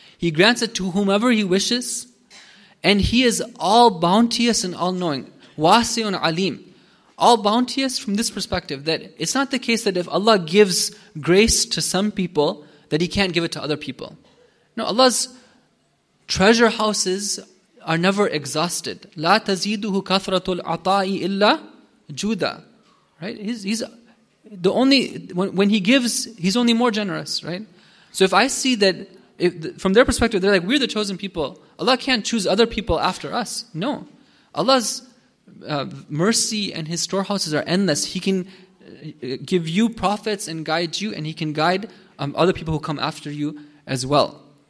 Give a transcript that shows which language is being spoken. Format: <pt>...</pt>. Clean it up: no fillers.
<en>He grants it to whomever he wishes. And he is all bounteous and all knowing. Wasi'un alim. All bounteous from this perspective, that it's not the case that if Allah gives grace to some people, that he can't give it to other people. No, Allah's treasure houses are never exhausted.</en> <ar>لا تزيده كثرة العطاء إلا جودة.</ar> <en>Right? He's the only, when he gives, he's only more generous, right? So if I see that, from their perspective, they're like, we're the chosen people. Allah can't choose other people after us. No. Allah's mercy and his storehouses are endless. He can give you prophets and guide you, and he can guide other people who come after you as well.</en>